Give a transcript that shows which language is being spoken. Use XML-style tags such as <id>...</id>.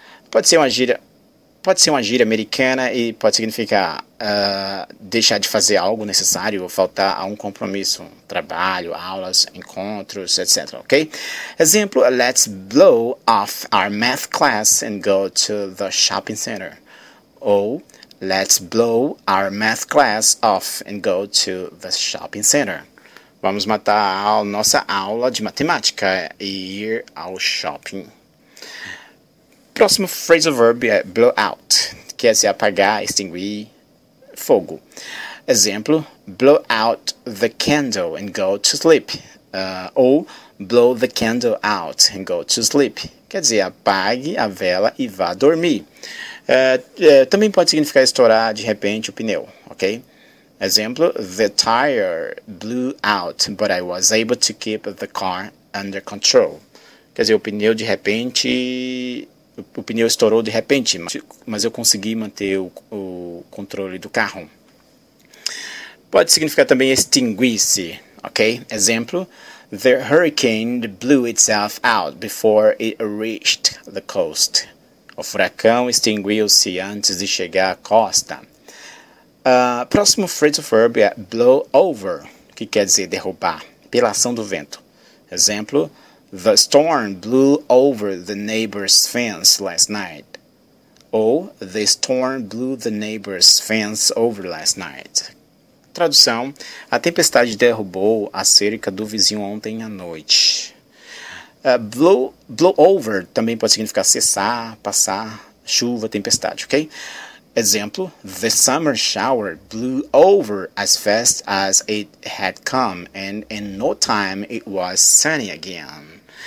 <pt>Pode ser uma gíria americana e pode significar deixar de fazer algo necessário ou faltar a um compromisso, trabalho, aulas, encontros, etc. Ok?</pt> <en>Exemplo, let's blow off our math class and go to the shopping center. Ou, let's blow our math class off and go to the shopping center.</en> <pt>Vamos matar a nossa aula de matemática e ir ao shopping. Próximo phrasal verb é blow out, que é se apagar, extinguir fogo.</pt> <en>Exemplo, blow out the candle and go to sleep. Ou, blow the candle out and go to sleep.</en> <pt>Quer dizer, apague a vela e vá dormir. Também pode significar estourar de repente o pneu, ok?</pt> <en>Exemplo, the tire blew out, but I was able to keep the car under control.</en> <pt>Quer dizer, o pneu estourou de repente, mas eu consegui manter o controle do carro. Pode significar também extinguir-se, ok?</pt> <en>Exemplo, the hurricane blew itself out before it reached the coast.</en> <pt>O furacão extinguiu-se antes de chegar à costa. Próximo phrasal verb é blow over, que quer dizer derrubar, pela ação do vento.</pt> <en>Exemplo, the storm blew over the neighbor's fence last night. Ou, the storm blew the neighbor's fence over last night.</en> <pt>Tradução, a tempestade derrubou a cerca do vizinho ontem à noite. Blow over também pode significar cessar, passar, chuva, tempestade, ok?</pt> <en>Exemplo, the summer shower blew over as fast as it had come, and in no time it was sunny again.</en>